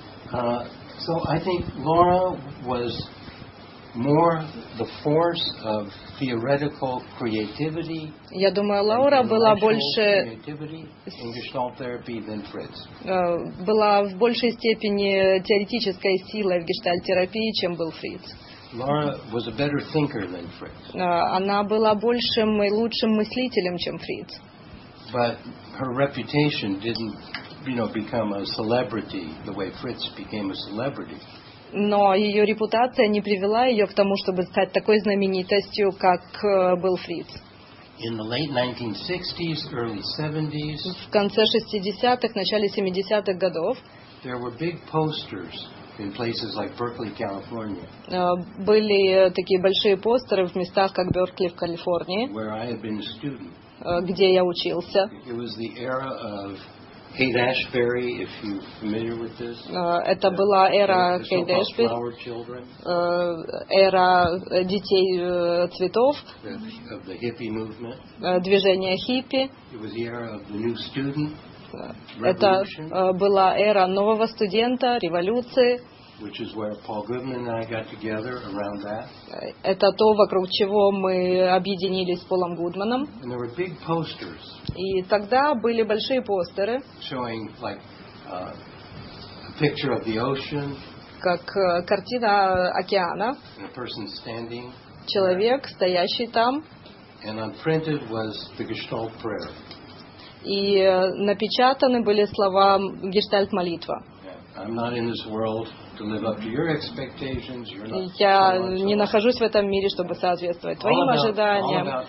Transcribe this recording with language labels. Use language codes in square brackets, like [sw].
[en] So I think Laura was more the force of theoretical creativity. [ru] Я думаю, Лаура была больше [en] in Gestalt therapy than Fritz. [ru] Была в большей степени теоретической силой в гештальт-терапии, чем был Фриц. [en] Laura was a better thinker than Fritz. [ru] Она была большим и лучшим мыслителем, чем Фриц. [en] But her reputation didn't, you know, become a celebrity the way Fritz became a celebrity. [ru] Но ее репутация не привела ее к тому, чтобы стать такой знаменитостью, как был Фриц. [en] In the late 1960s, early 70s, [ru] в конце 60-х, начале 70-х годов [en] there were big posters in places like Berkeley, California, [ru] были такие большие постеры в местах, как Беркли в Калифорнии, [en] where I had been a student. [ru] Где я учился. [en] It was the era of Kate Ashbery, if you're familiar with this. [ru] Это была эра Кейт Эшбери. [en] Flower children. [ru] Эра детей цветов. [en] Of the hippie movement. [ru] Движение хиппи. [en] It was the era of the new student. [ru] Это была эра нового студента, революции. [en] Which is where Paul Goodman and I got together around that. [ru] Это то, вокруг чего мы объединились с Полом Гудманом. [en] And there were big posters. [ru] И тогда были большие постеры. [en] Showing like a picture of the ocean. [ru] Как картина океана. [en] And a person standing. [ru] Человек, стоящий там. [en] And on printed was the Gestalt prayer. [ru] И напечатаны были слова Гештальт молитва. [en] I'm not in this world to live up to your expectations. You're not. [ru] Я не нахожусь в этом мире, чтобы соответствовать твоим ожиданиям.